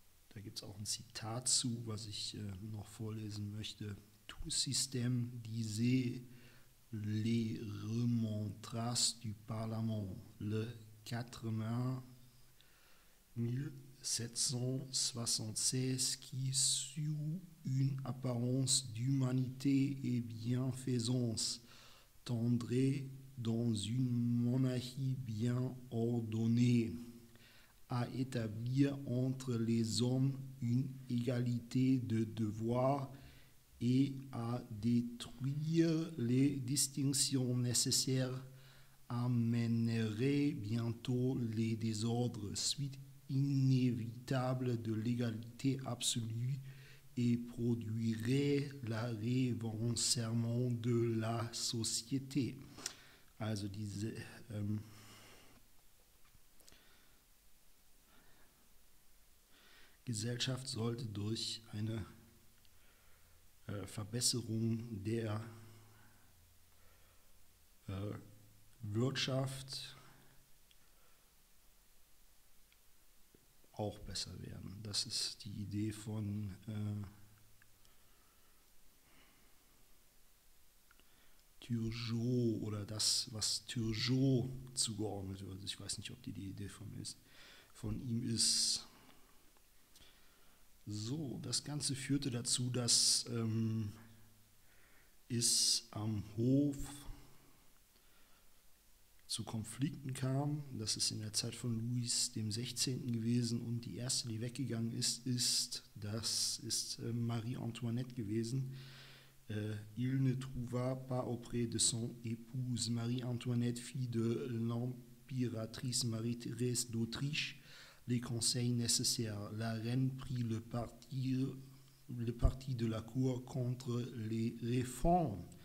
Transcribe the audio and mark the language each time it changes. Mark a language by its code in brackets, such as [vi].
[de] Da gibt es auch ein Zitat zu, was ich noch vorlesen möchte. [fr] Tout système disé les remontras du Parlement le 4 mai 1776 qui sous une apparence d'humanité et bienfaisance tendrait dans une monarchie bien ordonnée à établir entre les hommes une égalité de devoir et à détruire les distinctions nécessaires amènerait bientôt les désordres suite inévitable de l'égalité absolue et produirait la révancement de la société. [de] Also diese Gesellschaft sollte durch eine Verbesserung der Wirtschaft auch besser werden. Das ist die Idee von Turgot oder das, was Turgot zugeordnet wird. Ich weiß nicht, ob die Idee von ihm ist. So, das Ganze führte dazu, dass es am Hof zu Konflikten kam. Das ist in der Zeit von Louis dem 16. gewesen, und die erste, die weggegangen ist, ist Marie Antoinette gewesen. [fr] Il ne trouva pas auprès de son épouse Marie Antoinette, fille de l'impératrice Marie-Thérèse d'Autriche, les conseils nécessaires. La reine prit le parti de la cour contre les réformes.